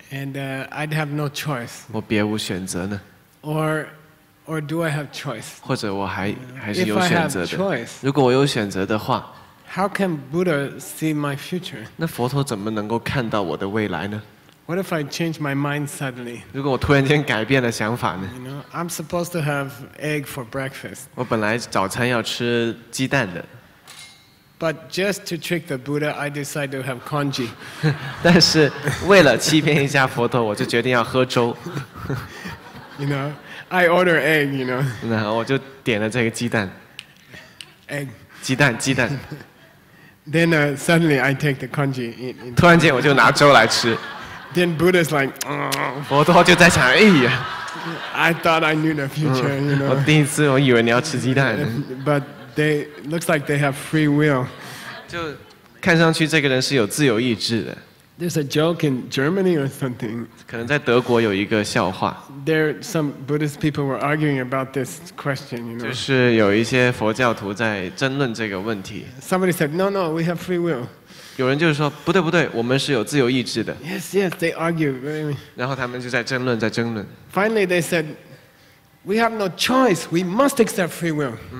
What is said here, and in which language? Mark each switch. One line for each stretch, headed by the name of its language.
English: ？And I'd have no choice.
Chinese: 我别无选择呢
English: ？Or do I have choice?
Chinese: 或者我还是有选择的。
English: If I have choice,
Chinese: 如果我有选择的话。
English: How can Buddha see my future?
Chinese: 那佛陀怎么能够看到我的未来呢
English: ？What if I change my mind suddenly?
Chinese: 如果我突然间改变了想法呢
English: ？You know, I'm supposed to have egg for breakfast.
Chinese: 我本来早餐要吃鸡蛋的。
English: But just to trick the Buddha, I decide to have congee.
Chinese: 但是为了欺骗一下佛陀，我就决定要喝粥。
English: You know, I order egg. You know.
Chinese: 那我就点了这个鸡蛋。
English: Egg.
Chinese: 鸡蛋，鸡蛋。
English: Then suddenly I take the congee. In
Chinese: 突然间我就拿粥来吃。
English: Then Buddha's like,
Chinese: 佛陀就在想，哎呀。
English: I thought I knew the future. You know.
Chinese: 我第一次我以为你要吃鸡蛋。
English: But they looks like they have free will.
Chinese: 就看上去这个人是有自由意志的。
English: There's a joke in Germany or something.
Chinese: 可能在德国有一个笑话。
English: There some Buddhist people were arguing about this question. You know.
Chinese: 就是有一些佛教徒在争论这个问题。
English: Somebody said, "No, no, we have free will."
Chinese: 有人就是说，不对不对，我们是有自由意志的。
English: Yes, yes, they argue. Really.
Chinese: 然后他们就在争论，在争论。
English: Finally, they said, "We have no choice. We must accept free will."